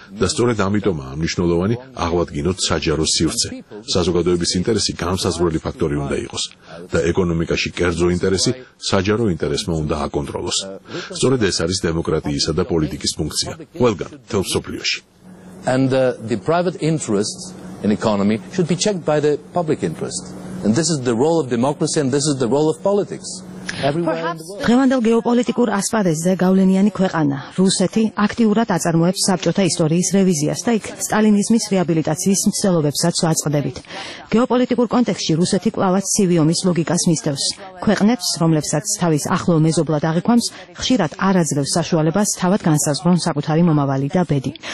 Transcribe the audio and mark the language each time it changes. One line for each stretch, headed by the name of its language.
Georgian: და სწორედ ამიტომაა მნიშვნელოვანი აღვადგინოთ საჯარო სივრცე. საზოგადოების ინტერესი განსაზღვრული ფაქტორი უნდა იყოს. და ეკონომიკაში კერძო ინტერესი საჯარო ინტერესმა უნდა აკონტროლოს. სწორედ ეს არის დემოკრატიისა და პოლიტიკის ფუნქცია. ყველგან, მთელ მსოფლიოში.
English: And the private interests in economy should be checked by the public interest. And this is the role of democracy and this is the role of politics.
Georgian: დღევანდელ გეოპოლიტიკურ ასპარეზზე გავლენიანი ქვეყანა, რუსეთი, აქტიურად აწარმოებს საბჭოთა ისტორიის რევიზიას და იქ სტალინიზმის რეაბილიტაციის მცდელობებსაც ვაწყდებით. გეოპოლიტიკურ კონტექსტში რუსეთი კვლავაც ცივი ომის ლოგიკას მისდევს. ქვეყნებს, რომლებსაც თავის ახლო მეზობლად აღიქვამს, ხშირად არ აძლევს საშუალებას თავად განსაზღვრონ საკუთარი მომავალი და ბედი.